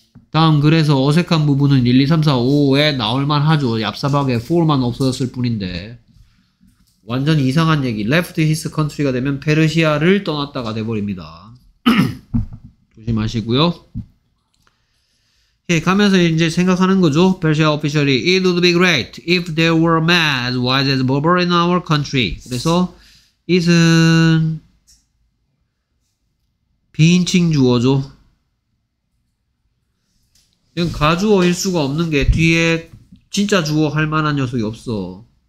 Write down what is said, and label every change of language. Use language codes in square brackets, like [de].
[ko] 다음 그래서 어색한 부분은 1, 2, 3, 4, 5에 나올만 하죠. 얍삽하게 4만 없어졌을 뿐인데 완전 이상한 얘기. [en] left his country [ko] 가 되면 페르시아를 떠났다가 돼버립니다. 조심하시고요. 예, 가면서 이제 생각하는 거죠. 페르시아 오피셜이 [en] It would be great if there were a man as wise as Berber in our country. [ko] 그래서 it은 비인칭 주어죠. 이건 가주어일 수가 없는 게 뒤에 진짜 주어 할 만한 녀석이 없어.